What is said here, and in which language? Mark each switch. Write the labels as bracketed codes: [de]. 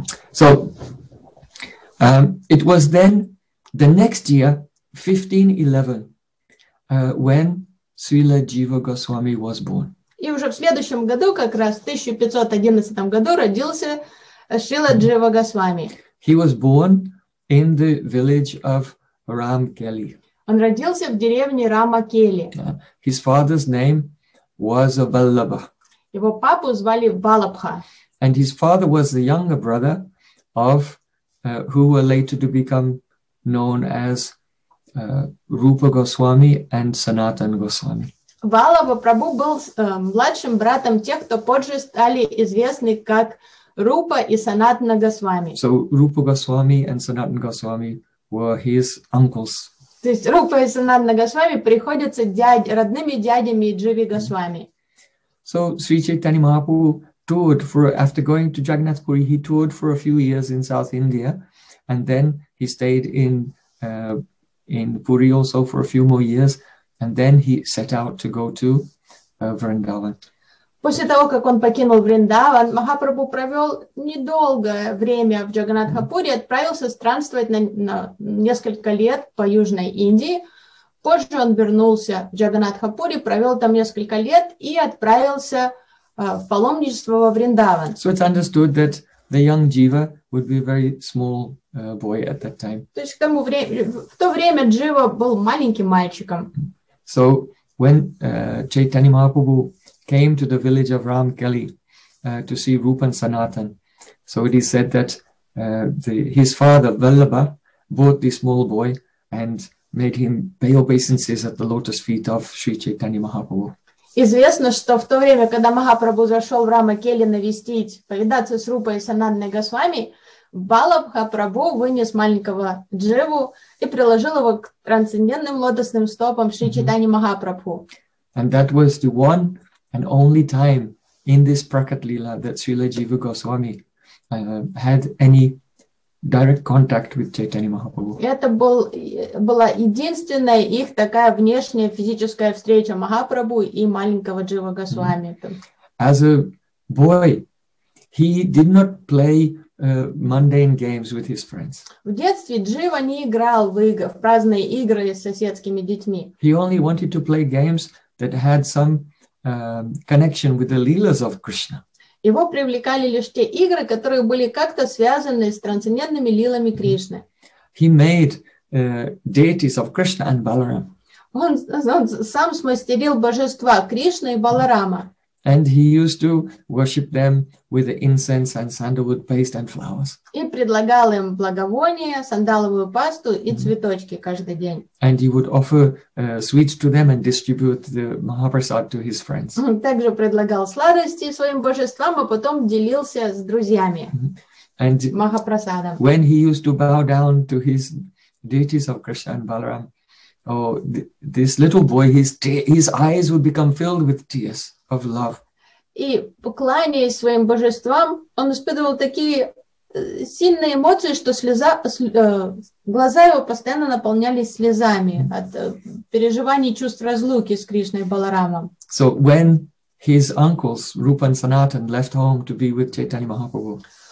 [en] So, it was then the next year, 1511, when Srila Jiva Goswami was born. [ru] И уже в следующем году, как раз в 1511 году, родился Шрила Джива Госвами. [en] He was born in the village of Ram Kelly. [ru] Он родился в деревне Рама Келли. [en] His father's name was Vallabha. [ru] Его папу звали Валабха. [en] And his father was the younger brother of who were later to become known as Rupa Goswami and Sanatan Goswami. [ru] Валава Прабу был младшим братом тех, кто позже стали известны как Рупа и Санатана Госвами. [en] So Rupa Goswami and Sanatana Goswami were his uncles. [ru] То есть Рупа и Санатана Госвами приходятся родными дядями Дживи Госвами. [en] So Sri Chaitanya Mahaprabhu toured for, after going to Jagannath Puri, he toured for a few years in South India, and then he stayed in Puri also for a few more years, and then he set out to go to Vrindavan. [ru] После того, как он покинул Вриндаван, Махапрабху провел недолгое время в Джаганатхапуре, отправился странствовать на несколько лет по Южной Индии. Позже он вернулся в Джаганатхапуре, провел там несколько лет и отправился в паломничество во Вриндаван. [en] So it's understood that the young Jiva would be a very small boy at that time. [ru] То есть в то время Джива был маленьким мальчиком. [en] So when Chaitanya Mahaprabhu came to the village of Ram Kelly to see Rupa and Sanatan. So it is said that his father, Vallabha, bought this small boy and made him pay obeisances at the lotus feet of Sri Chaitanya Mahaprabhu. [ru] Известно, что в то время, когда Махапрабху зашел в Рама Келли навестить, повидаться с Рупой и Сананной Госвами, Валабха Прабху вынес маленького Дживу и приложил его к трансцендентным лотосным стопам Шри Чайтани Махапрабху. [en] And that was the one and only time in this Prakat Lila that Srila Jiva Goswami had any direct contact with Chaitanya Mahaprabhu. [ru] Это была единственная их такая внешняя физическая встреча Махапрабху и маленького Джива Госвами. [en] As a boy, he did not play mundane games with his friends. [ru] В детстве Джива не играл в праздные игры с соседскими детьми. [en] He only wanted to play games that had some connection with the leelas of Krishna. [ru] Его привлекали лишь те игры, которые были как-то связаны с трансцендентными лилами Кришны. [en] He made deities of Krishna and Balaram. [ru] Он сам смастерил божества Кришны и Баларама. [en] And he used to worship them with the incense and sandalwood paste and flowers. [ru] И предлагал им благовония, сандаловую пасту и цветочки каждый день. [en] And he would offer sweets to them and distribute the Mahaprasad to his friends. [ru] Он также предлагал сладости своим божествам, а потом делился с друзьями Махапрасадом. [en] When he used to bow down to his deities of Krishna and Balaram, this little boy, his eyes would become filled with tears of love. [ru] И поклоняясь своим божествам, он испытывал такие сильные эмоции, что глаза его постоянно наполнялись слезами от переживаний чувств разлуки с Кришной и Баларамом. [en] So when his uncles Rupa and Sanatan left home to be with Chaitanya Mahaprabhu.